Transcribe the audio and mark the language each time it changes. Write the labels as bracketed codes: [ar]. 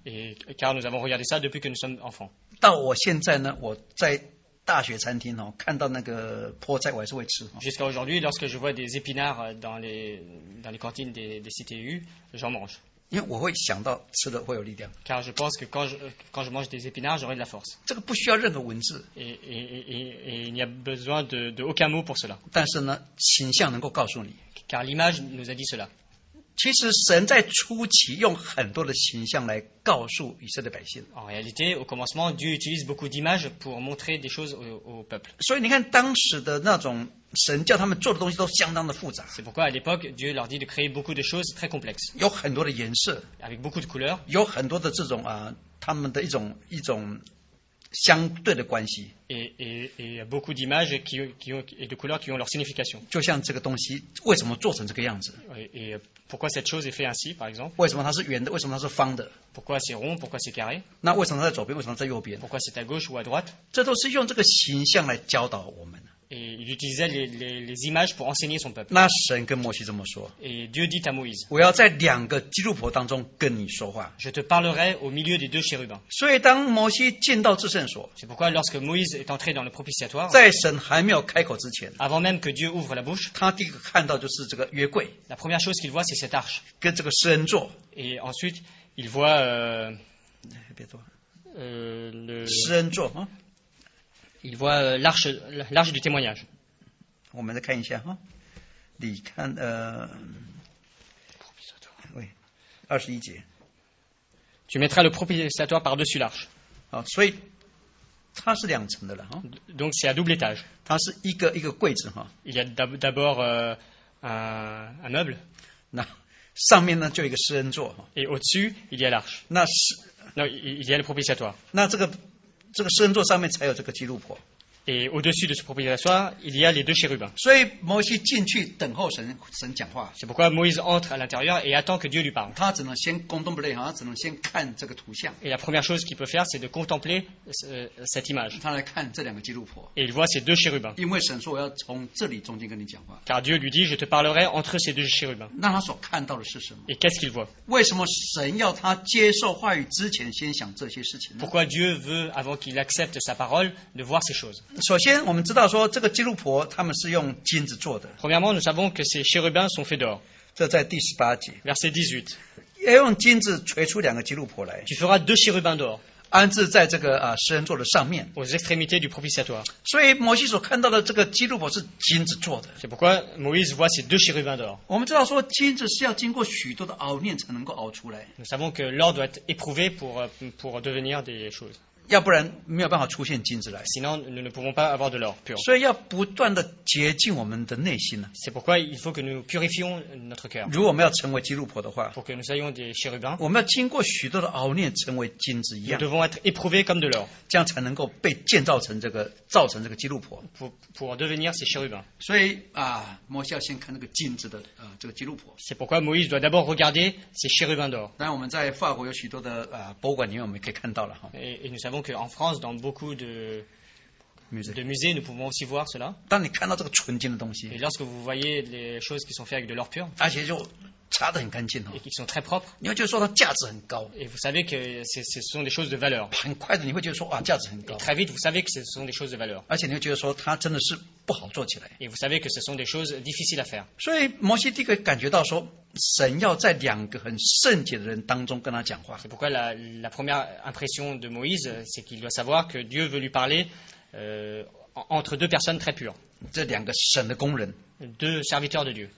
[fr] Car nous avons regardé ça depuis que nous sommes enfants. [zh] 到我现在呢，我在大学餐厅哦，看到那个菠菜，我还是会吃。 [fr] Jusqu'à aujourd'hui, lorsque je vois des épinards dans les cantines des CTU, j'en mange. [zh] 因为我会想到吃的会有力量。 [fr] Car je pense que quand je mange des épinards, j'aurai de la force. [zh] 这个不需要任何文字。 [fr] Et il n'y a besoin de aucun mot pour cela. [zh] 但是呢，形象能够告诉你。 [fr] Car l'image nous a dit cela. [zh] 其实神在初期用很多的形象来告诉以色列百姓。 [fr] En réalité, au commencement, Dieu utilise beaucoup d'images pour montrer des choses au peuple. [zh] 所以你看当时的那种神叫他们做的东西都相当的复杂。 [fr] C'est pourquoi à l'époque, Dieu leur dit de créer beaucoup de choses très complexes. [zh] 有很多的颜色。 [fr] Avec beaucoup de couleurs. [zh] 有很多的这种他们的一种相对的关系。 [fr] Et beaucoup d'images qui ont, et de couleurs qui ont leur signification. [zh] 就像这个东西为什么做成这个样子？ [fr] Et pourquoi cette chose est faite ainsi, par exemple? [zh] 为什么它是圆的？为什么它是方的？ [fr] Pourquoi c'est rond? Pourquoi c'est carré? [zh] 那为什么它在左边？为什么它在右边？ [fr] Pourquoi c'est à gauche ou à droite? [zh] 这都是用这个形象来教导我们。 [fr] Et il utilisait les images pour enseigner son peuple. [zh] 那神跟摩西这么说。 [fr] Et Dieu dit à Moïse. [zh] 我要在两个基督婆当中跟你说话。 [fr] Je te parlerai au milieu des deux chérubins. [zh] 所以当摩西进到至圣所。 [fr] C'est pourquoi lorsque Moïse est entré dans le propitiatoire. [zh] 在神还没有开口之前。 [fr] Avant même que Dieu ouvre la bouche. [zh] 他第一个看到就是这个约柜。 [fr] La première chose qu'il voit c'est cette arche. [zh] 跟这个施恩座。 [fr] Et ensuite il voit. [zh] 别多。 [fr] Le. [zh] 施恩座啊。 [fr] Il voit l'arche du témoignage. On va regarder un peu. Il y a... Oui, 21 节. Tu mettras le propitiatoire par-dessus l'arche. Donc c'est à double étage. Il y a d'abord un meuble. Et au-dessus, il y a l'arche. Non, il y a le propitiatoire. Donc il y a le propitiatoire par-dessus. Et au-dessus de ce propitiatoire, il y a les deux chérubins. [zh] 所以摩西进去等候神神讲话。 [fr] C'est pourquoi Moïse entre à l'intérieur et attend que Dieu lui parle. [zh] 他只能先 contempler, 他只能先看这个图像。 [fr] Et la première chose qu'il peut faire, c'est de contempler cette image. [zh] 他来看这两个基督婆。 [fr] Et il voit ces deux chérubins. [zh] 因为神说我要从这里中间跟你讲话。 [fr] Car Dieu lui dit, je te parlerai entre ces deux chérubins. [zh] 那他所看到的是什么？ [fr] Et qu'est-ce qu'il voit? [zh] 为什么神要他接受话语之前先想这些事情呢？ [fr] Pourquoi Dieu veut avant qu'il accepte sa parole de voir ces choses? [zh] 首先我们知道说这个基督婆他们是用金子做的。 [fr] Premièrement, nous savons que ces chérubins sont faits d'or. [zh] 这在第十八节。 [fr] Verset 18. [zh] 也用金子锤出两个基督婆来。 [fr] Tu feras deux chérubins d'or. [zh] 安置在这个施恩座的上面。 [fr] Aux extrémités du propitiatoire. [zh] 所以摩西所看到的这个基督婆是金子做的。 [fr] C'est pourquoi Moïse voit ces deux chérubins d'or. [zh] 我们知道说金子是要经过许多的熬炼才能够熬出来。 [fr] Nous savons que l'or doit être éprouvé pour devenir des choses. [zh] 要不然没有办法出现金子来。 [fr] Sinon, nous ne pouvons pas avoir de l'or pur. [zh] 所以要不断的洁净我们的内心。 [fr] C'est pourquoi il faut que nous purifions notre cœur. [zh] 如果我们要成为基督婆的话。 [fr] Pour que nous soyons des chérubins. [zh] 我们要经过许多的熬炼成为金子一样。 [fr] Nous devons être éprouvés comme de l'or. [zh] 这样才能够被建造成这个造成这个基督婆。 [fr] Pour devenir ces chérubins. [zh] 所以摩西要先看那个金子的这个基督婆。 [fr] C'est pourquoi Moïse doit d'abord regarder ces chérubins d'or. [zh] 当然我们在法国有许多的博物馆里面我们可以看到了。 [fr] Et nous savons qu'en France, dans beaucoup de musées, nous pouvons aussi voir cela. [zh] 当你看到这个纯金的东西, [fr] et lorsque vous voyez les choses qui sont faites avec de l'or pur, [zh] 而且就擦得很干净哦, [fr] et qui sont très propres, [zh] 你会觉得说它价值很高, [fr] et vous savez que ce sont des choses de valeur. [zh] 很快的你会觉得说啊价值很高, [fr] et très vite, vous savez que ce sont des choses de valeur. [zh] 而且你会觉得说它真的是不好做起来, [fr] et vous savez que ce sont des choses difficiles à faire. [zh] 所以摩西第一个感觉到说神要在两个很圣洁的人当中跟他讲话。 [fr] C'est pourquoi la première impression de Moïse, c'est qu'il doit savoir que Dieu veut lui parler entre deux personnes très pures. [zh] 这两个神的工人。 [fr] Deux serviteurs de Dieu.